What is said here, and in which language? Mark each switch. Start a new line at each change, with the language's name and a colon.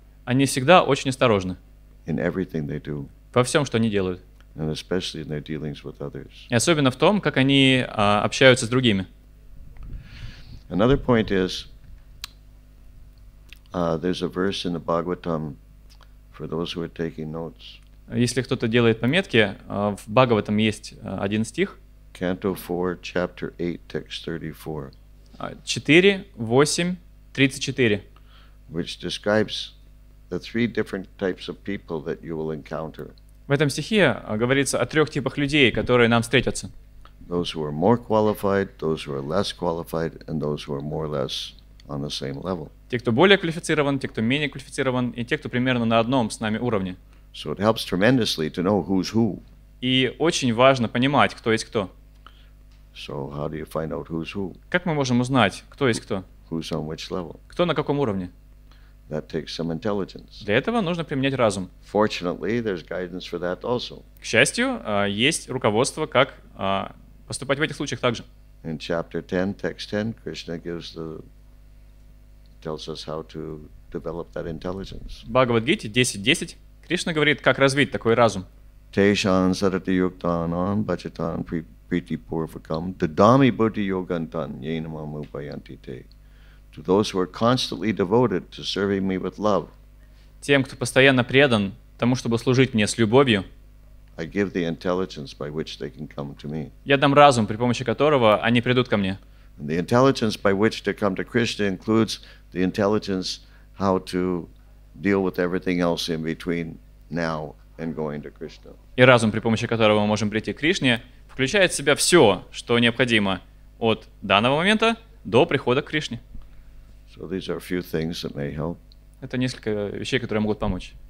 Russian: Они всегда очень осторожны.
English: In everything they do.
Russian: Во всем, что они делают.
English: And especially in their dealings with others.
Russian: И особенно в том, как они общаются с другими.
English: Another point is, there's a verse in the Bhagavatam for those who are taking notes.
Russian: Если кто-то делает пометки, в Бхагаватам есть один стих.
English: Canto 4, chapter 8, text 34.
Russian: 4, 8, 34.
English: Which describes the three different types of people that you will encounter.
Russian: В этом стихе говорится о трех типах людей, которые нам встретятся.
English: Those who are more qualified, those who are less qualified, and those who are more or less on the same level.
Russian: Те, кто более квалифицирован, те, кто менее квалифицирован, и те, кто примерно на одном с нами уровне.
English: So it helps tremendously to know who's who.
Russian: И очень важно понимать, кто есть кто.
English: So how do you find out who's who?
Russian: Как мы можем узнать, кто есть кто?
English: Who's on which level?
Russian: Кто на каком уровне?
English: That takes some intelligence.
Russian: Для этого нужно применять разум.
English: Fortunately, there's guidance for that also.
Russian: К счастью, есть руководство, как поступать в этих случаях также.
English: In chapter 10, text 10, Krishna gives the tells us how to develop that intelligence.
Russian: Бхагавад-гите 10:10 Кришна говорит, как развить такой разум.
Sanskrit: Тейшан сарати юктанан бачатан притипурвакам дадами бути йогантан йенамам упаянтите.
English: To those who are constantly devoted to serving me with love.
Russian: Тем, кто постоянно предан тому, чтобы служить мне с любовью.
English: I give the intelligence by which they can come to me.
Russian: Я дам разум, при помощи которого они придут ко мне.
English: And the intelligence by which they come to Krishna includes the intelligence how to deal with everything else in between now and going to Krishna.
Russian: И разум, при помощи которого мы можем прийти к Кришне, включает в себя все, что необходимо от данного момента до прихода к Кришне.
English: So these are a few things that may help.
Russian: Это несколько вещей, которые могут помочь.